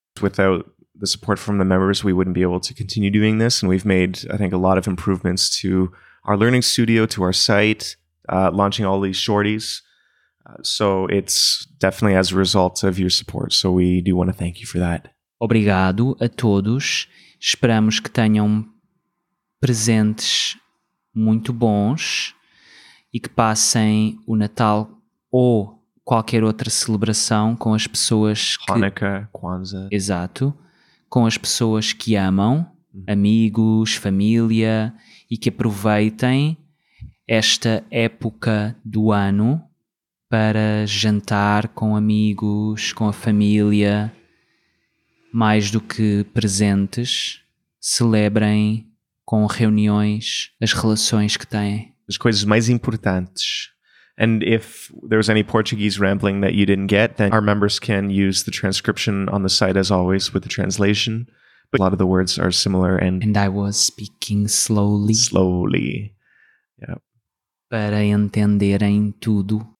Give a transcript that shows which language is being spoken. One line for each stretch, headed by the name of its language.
English: Without the support from the members, we wouldn't be able to continue doing this. And we've made, I think, a lot of improvements to our learning studio, to our site, launching all these shorties. So it's definitely as a result of your support. So we do want to thank you for that.
Portuguese: Obrigado a todos. Esperamos que tenham presentes muito bons e que passem o Natal ou qualquer outra celebração com as pessoas que... Hanukkah, Kwanzaa. Exato. Com as pessoas que amam, amigos, família, e que aproveitem esta época do ano para jantar com amigos, com a família, mais do que presentes, celebrem com reuniões as relações que têm. As coisas mais importantes.
English: And if there was any Portuguese rambling that you didn't get, then our members can use the transcription on the site, as always, with the translation. But a lot of the words are similar. And I was speaking slowly. Slowly. Yeah.
Portuguese: Para entenderem tudo.